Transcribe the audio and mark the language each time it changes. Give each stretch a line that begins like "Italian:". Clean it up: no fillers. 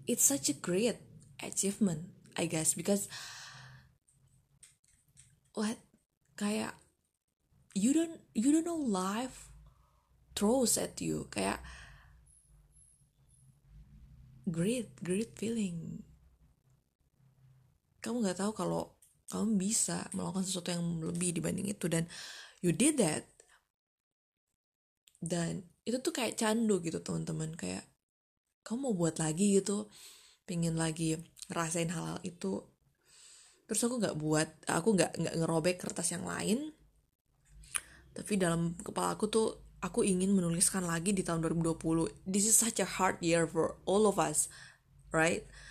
English: It's such a great achievement, I guess, because what, kayak you don't know life throws at you, kayak great feeling.
Indonesian: Kamu nggak tahu kalau kamu bisa melakukan sesuatu yang lebih dibanding itu, dan
English: you did that.
Indonesian: Dan itu tuh kayak candu gitu, teman-teman. Kayak kamu mau buat lagi gitu, pengen lagi ngerasain hal-hal itu. Terus aku gak ngerobek kertas yang lain, tapi dalam kepala aku tuh aku ingin menuliskan lagi di tahun 2020.
English: This is such a hard year for all of us, right?